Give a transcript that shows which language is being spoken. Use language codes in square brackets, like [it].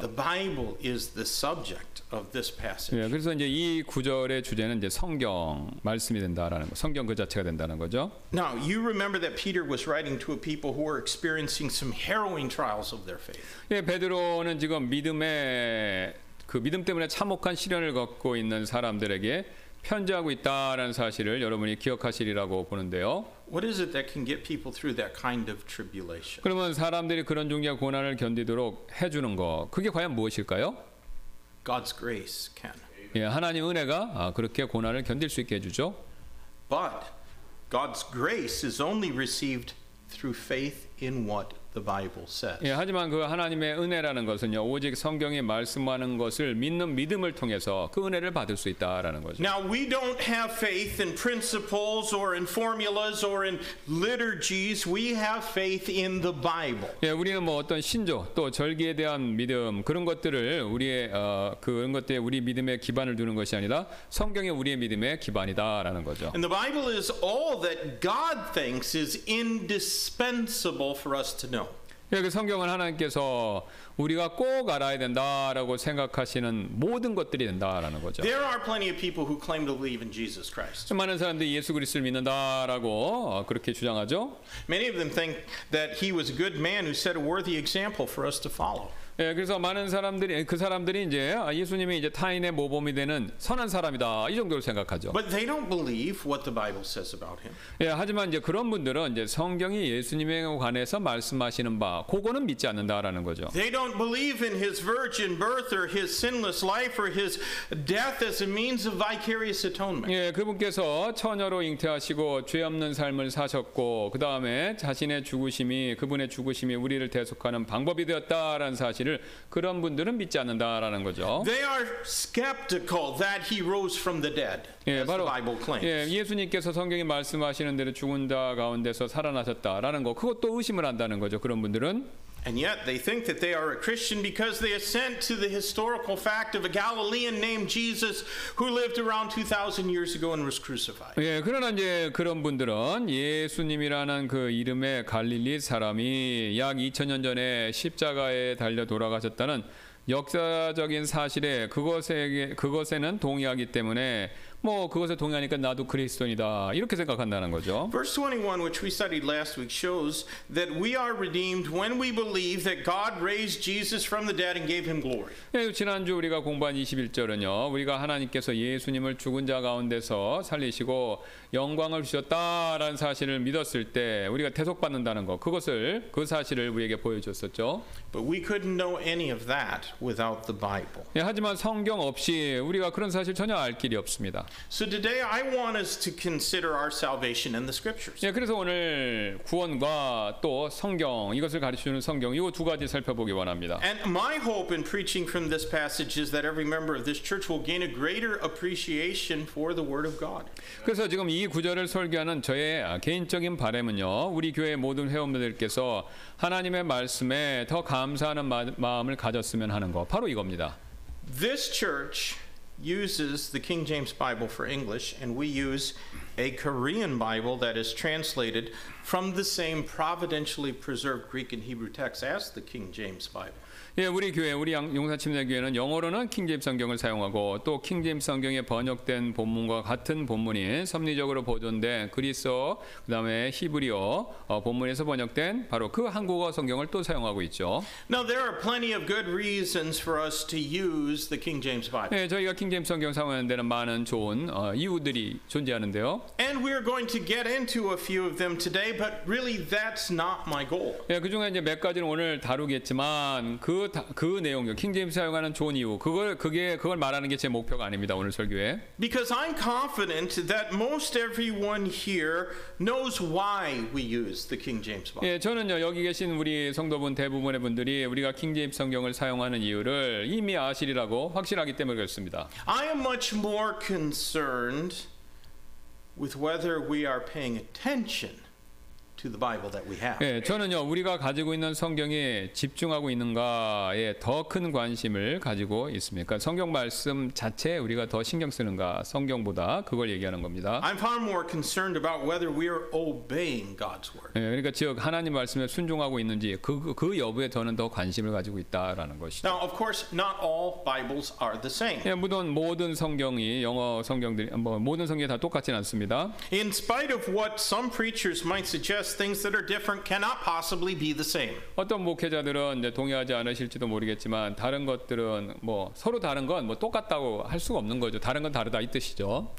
[en] The Bible is the subject of this passage. [ko] 예, 그래서 이제 이 구절의 주제는 이제 성경 말씀이 된다라는 거, 성경 그 자체가 된다는 거죠. [en] Now you remember that Peter was writing to a people who were experiencing some harrowing trials of their faith. [ko] 예, 베드로는 지금 믿음에 그 믿음 때문에 참혹한 시련을 겪고 있는 사람들에게 편지하고 있다라는 사실을 여러분이 기억하시리라고 보는데요. [en] What is it that can get people through that kind of tribulation? [ko] 그러면 사람들이 그런 종류의 고난을 견디도록 해주는 거, 그게 과연 무엇일까요? [en] God's grace can. [ko] 예, 하나님 은혜가 그렇게 고난을 견딜 수 있게 해주죠. [en] But God's grace is only received through faith in what the Bible says. [ko] 예, 하지만 그 하나님의 은혜라는 것은요, 오직 성경이 말씀하는 것을 믿는 믿음을 통해서 그 은혜를 받을 수 있다라는 거죠. [en] Now we don't have faith in principles or in formulas or in liturgies. We have faith in the Bible. [ko] 예, 우리는 뭐 어떤 신조 또 절기에 대한 믿음 그런 것들을 우리의 그런 것들에 우리 믿음의 기반을 두는 것이 아니라 성경이 우리의 믿음의 기반이다라는 거죠. [en] And the Bible is all that God thinks is indispensable for us to know. [ko] 여기 성경은 하나님께서 우리가 꼭 알아야 된다라고 생각하시는 모든 것들이 된다라는 거죠. [en] There are plenty of people who claim to believe in Jesus Christ. [ko] 많은 사람들이 예수 그리스도를 믿는다라고 그렇게 주장하죠. [en] Many of them think that he was a good man who set a worthy example for us to follow. [ko] 예, 그래서 많은 사람들이 그 사람들이 이제 예수님이 이제 타인의 모범이 되는 선한 사람이다 이 정도로 생각하죠. [en] But they don't believe what the Bible says about him. [ko] 예, 하지만 이제 그런 분들은 이제 성경이 예수님에 관해서 말씀하시는 바 그거는 믿지 않는다라는 거죠. [en] They don't believe in his virgin birth or his sinless life or his death as a means of vicarious atonement. [ko] 예, 그분께서 처녀로 잉태하시고 죄 없는 삶을 사셨고 그 다음에 자신의 죽으심이 그분의 죽으심이 우리를 대속하는 방법이 되었다라는 사실. 그런 분들은 믿지 않는다라는 거죠. [en] They are skeptical that he rose from the dead. [ko] 예, 바로 [en] the Bible claims. [ko] 예, 예수님께서 성경이 말씀하시는 대로 죽은 자 가운데서 살아나셨다라는 거 그것도 의심을 한다는 거죠. 그런 분들은 [en] And yet they think that they are a Christian because they assent to the historical fact of a Galilean named Jesus who lived around 2000 years ago and was crucified. [ko] 예, 그러나 이제 그런 분들은 예수님이라는 그 이름의 갈릴리 사람이 약 2000년 전에 십자가에 달려 돌아가셨다는 역사적인 사실에 그것에는 동의하기 때문에 뭐 그것에 동의하니까 나도 그리스도인이다 이렇게 생각한다는 거죠. [en] Verse 21, which we studied last week, shows that we are redeemed when we believe that God raised Jesus from the dead and gave him glory. [ko] 예, 지난주 우리가 공부한 21절은요, 우리가 하나님께서 예수님을 죽은 자 가운데서 살리시고 영광을 주셨다라는 사실을 믿었을 때 우리가 대속받는다는 것, 그것을 그 사실을 우리에게 보여줬었죠. [en] But we couldn't know any of that without the Bible. [ko] 예, 하지만 성경 없이 우리가 그런 사실 전혀 알 길이 없습니다. [en] So today I want us to consider our salvation in the scriptures. [ko] 예, 그래서 오늘 구원과 또 성경 이것을 가르치는 성경 이거 두 가지 살펴보기 원합니다. [en] And my hope in preaching from this passage is that every member of this church will gain a greater appreciation for the word of God. [ko] 그래서 지금 이 구절을 설교하는 저의 개인적인 바람은요. 우리 교회 모든 회원들께서 하나님의 말씀에 더 감사하는 마음을 가졌으면 하는 거 바로 이겁니다. [en] This church uses the King James Bible for English and we use a Korean Bible that is translated from the same providentially preserved Greek and Hebrew text as the King James Bible. [ko] 예, 우리 교회 우리 용사침례 교회는 영어로는 킹제임스 성경을 사용하고 또 킹제임스 성경에 번역된 본문과 같은 본문인 섭리적으로 보존된 그리스어 그다음에 히브리어 본문에서 번역된 바로 그 한국어 성경을 또 사용하고 있죠. [en] Now there are plenty of good reasons for us to use the King James Bible. [ko] 예, 저희가 킹제임스 성경 사용하는 데는 많은 좋은 이유들이 존재하는데요. [en] And we are going to get into a few of them today, but really that's not my goal. [ko] 예, 그 중에 이제 몇 가지는 오늘 다루겠지만 그 내용이요. 킹제임스 사용하는 좋은 이유. 그걸 말하는 게 제 목표가 아닙니다. 오늘 설교에. [en] Because I'm confident that most everyone here knows why we use the King James Bible. [ko] 예, 저는요. 여기 계신 우리 성도분 대부분의 분들이 우리가 킹제임스 성경을 사용하는 이유를 이미 아시리라고 확신하기 때문에 그렇습니다. [en] I am much more concerned with whether we are paying attention to the Bible that we have. [ko] 예, 저는요 우리가 가지고 있는 성경에 집중하고 있는가에 더 큰 관심을 가지고 있습니까? 성경 말씀 자체에 우리가 더 신경 쓰는가? 성경보다 그걸 얘기하는 겁니다. [en] I'm far more concerned about whether we are obeying God's word. [ko] 예, 그러니까 즉 하나님 말씀에 순종하고 있는지 그 여부에 저는 더 관심을 가지고 있다라는 것이죠. [en] Now, of course, not all Bibles are the same. [ko] 예, 물론 모든 성경이 영어 성경들이 뭐 모든 성경이 다 똑같진 않습니다. [en] In spite of what some preachers might suggest, things that are different cannot possibly be the same. [ko] 어떤 목회자들은 이제 동의하지 않으실지도 모르겠지만 다른 것들은 뭐 서로 다른 건 뭐 똑같다고 할 수가 없는 거죠. 다른 건 다르다 이 뜻이죠.